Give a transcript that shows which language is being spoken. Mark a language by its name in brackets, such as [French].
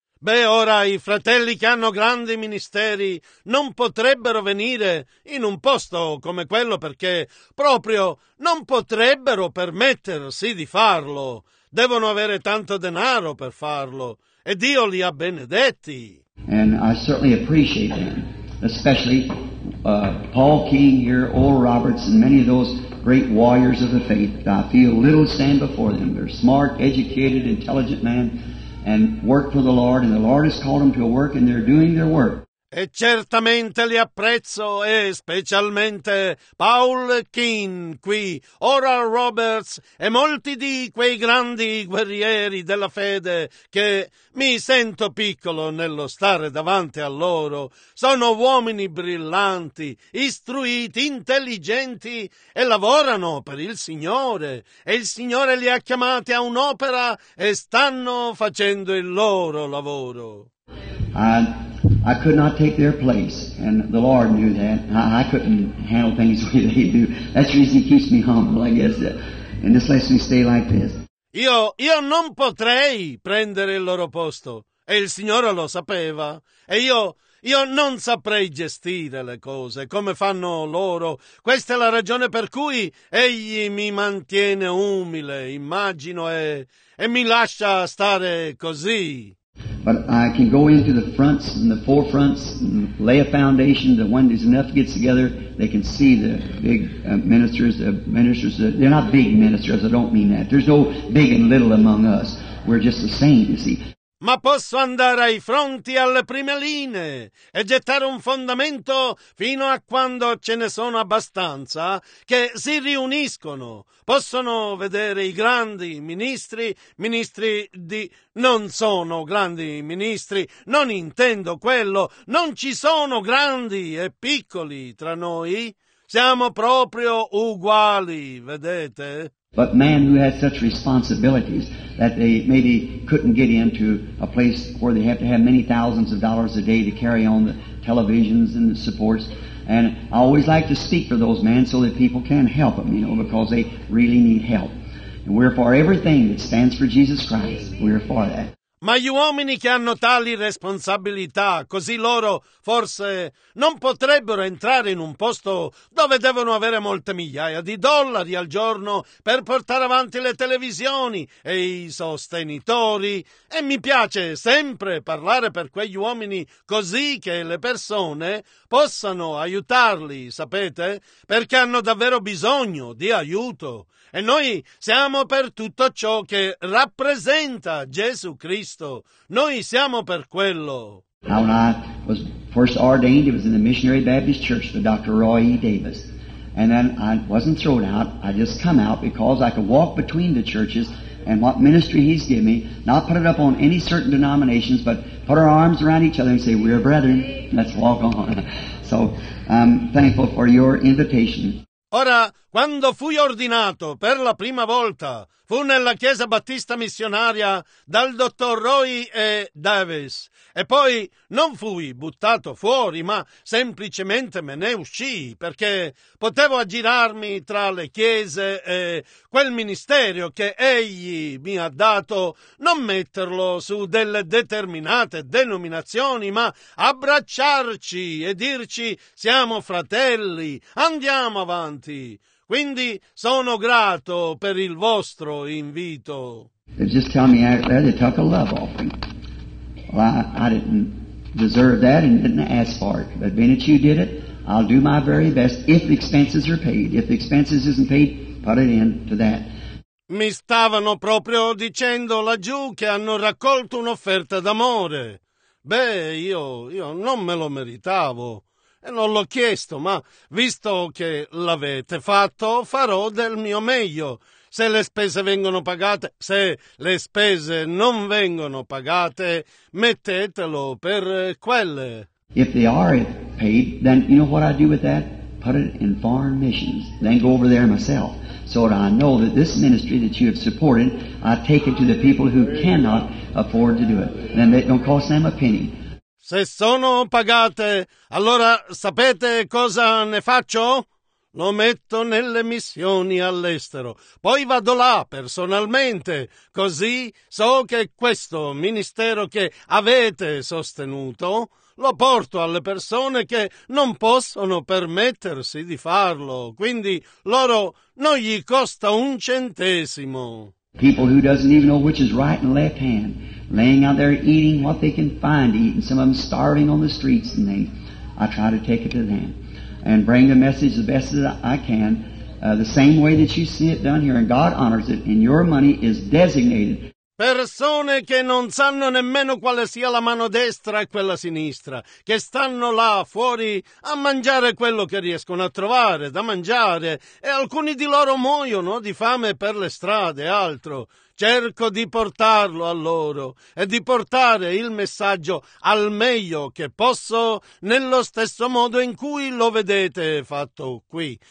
[Italian] Beh, ora i fratelli che hanno grandi ministeri non potrebbero venire in un posto come quello perché proprio non potrebbero permettersi di farlo. Devono avere tanto denaro per farlo. E Dio li ha benedetti. [English] And I certainly appreciate them, especially Paul King here, Oral Roberts, and many of those great warriors of the faith. I feel little stand before them. They're smart, educated, intelligent men and work for the Lord, and the Lord has called them to a work, and they're doing their work. [Italian] E certamente li apprezzo, e specialmente Paul Keane qui, Oral Roberts e molti di quei grandi guerrieri della fede che mi sento piccolo nello stare davanti a loro. Sono uomini brillanti, istruiti, intelligenti e lavorano per il Signore. E il Signore li ha chiamati a un'opera e stanno facendo il loro lavoro. [English] I could not take their place, and the Lord knew that. I couldn't handle things the way they do. That's the reason He keeps me humble, I guess, and just lets me stay like this. [Italian] Io non potrei prendere il loro posto, e il Signore lo sapeva, e io non saprei gestire le cose come fanno loro. Questa è la ragione per cui Egli mi mantiene umile, immagino, e mi lascia stare così. [English] But I can go into the fronts and the forefronts and lay a foundation that when there's enough to get together, they can see the big ministers. They're not big ministers, I don't mean that. There's no big and little among us. We're just the same, you see. [Italian] Ma posso andare ai fronti, alle prime linee, e gettare un fondamento fino a quando ce ne sono abbastanza, che si riuniscono, possono vedere i grandi ministri di... Non sono grandi ministri, non intendo quello, non ci sono grandi e piccoli tra noi, siamo proprio uguali, vedete? [English] But man who has such responsibilities that they maybe couldn't get into a place where they have to have many thousands of dollars a day to carry on the televisions and the supports. And I always like to speak for those men so that people can help them, you know, because they really need help. And we're for everything that stands for Jesus Christ. We're for that. [Italian] Ma gli uomini che hanno tali responsabilità, così loro forse non potrebbero entrare in un posto dove devono avere molte migliaia di dollari al giorno per portare avanti le televisioni e i sostenitori. E mi piace sempre parlare per quegli uomini così che le persone possano aiutarli, sapete? Perché hanno davvero bisogno di aiuto. E noi siamo per tutto ciò che rappresenta Gesù Cristo. Noi siamo per quello. [English] When I was first ordained, it was in the Missionary Baptist Church for Dr. Roy E. Davis. And then I wasn't thrown out. I just come out because I could walk between the churches and what ministry He's given me, not put it up on any certain denominations, but put our arms around each other and say, we're brethren, let's walk on. So I'm thankful for your invitation. [Italian] Ora, quando fui ordinato per la prima volta, fu nella Chiesa Battista Missionaria dal dottor Roy E. Davis. E poi non fui buttato fuori, ma semplicemente me ne uscii, perché potevo aggirarmi tra le chiese e quel ministero che egli mi ha dato, non metterlo su delle determinate denominazioni, ma abbracciarci e dirci siamo fratelli, andiamo avanti. Quindi sono grato per il vostro invito. [English] They just tell me out there they took a love offering. Well, I didn't deserve that and didn't ask for it. But being that you did it, I'll do my very best if the expenses are paid. If the expenses isn't paid, put it in to that. [Italian] Mi stavano proprio dicendo laggiù che hanno raccolto un'offerta d'amore. Beh, io non me lo meritavo. E non l'ho chiesto, ma visto che l'avete fatto, farò del mio meglio. Se le spese vengono pagate, se le spese non vengono pagate, mettetelo per quelle. [English] If they are paid, then you know what I do with that? Put it in foreign missions, then go over there myself. So that I know that this ministry that you have supported, I take it to the people who cannot afford to do it. Then it don't cost them a penny. [Italian] Se sono pagate, allora sapete cosa ne faccio? Lo metto nelle missioni all'estero. Poi vado là personalmente, così so che questo ministero che avete sostenuto lo porto alle persone che non possono permettersi di farlo. Quindi loro non gli costa un centesimo. [English] People who doesn't even know which is right and left hand. Laying out there eating what they can find to eat, and some of them starving on the streets, and I try to take it to them and bring the message the best that I can, the same way that you see it done here, and God honors it, and your money is designated. [Italian] Persone che non sanno nemmeno quale sia la mano destra e quella sinistra, che stanno là fuori a mangiare quello che riescono a trovare da mangiare, e alcuni di loro muoiono di fame per le strade e altro. Cerco di portarlo a loro e di portare il messaggio al meglio che posso, nello stesso modo in cui lo vedete fatto qui.